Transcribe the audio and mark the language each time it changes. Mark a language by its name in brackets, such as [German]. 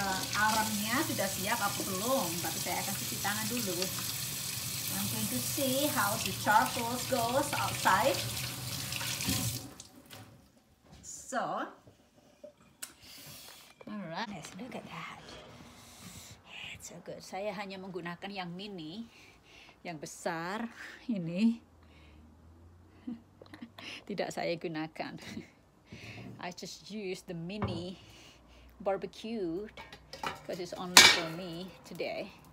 [Indonesian] Aramnya sudah siap apa belum? Tapi saya akan cuci tangan dulu. [English] I'm going to see how the charcoal goes outside. So, alright, let's look at that. It's so good. [Indonesian] Saya hanya menggunakan yang mini, yang besar ini. Tidak saya gunakan. [English] I just use the mini barbecued because it's only for me today.